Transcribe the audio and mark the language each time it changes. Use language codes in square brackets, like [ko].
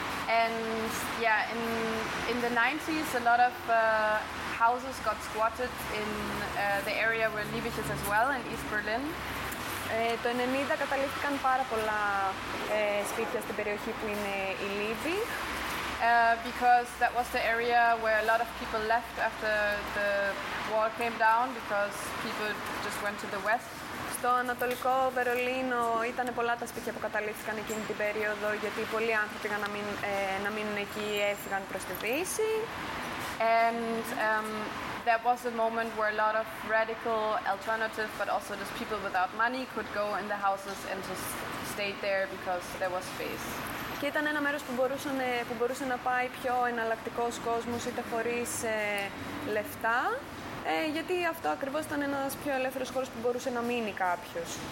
[en] And yeah, in the 90s, a lot of houses got squatted in the area where Liebig is as well, in East Berlin. [el] Το 90 καταλήφθηκαν πάρα πολλά σπίτια στην περιοχή που είναι η Liebig. [en] Because that was the area where a lot of people left after the wall came down, because people just went to the west. [el] Στο Ανατολικό Βερολίνο ήταν πολλά τα σπίτια που καταλήφθηκαν εκείνη την περίοδο, γιατί πολλοί άνθρωποι πήγαν να μείνουν εκεί, έφυγαν προς τη Δύση. [en] And that was a moment where a lot of radical alternative, but also just people without money, could go in the houses and just stay there because there was space. [el] Και ήταν ένα μέρος που μπορούσε να πάει πιο εναλλακτικός κόσμος, είτε χωρίς λεφτά, γιατί αυτό ακριβώς ήταν ένας πιο ελεύθερος χώρος που μπορούσε να μείνει κάποιος.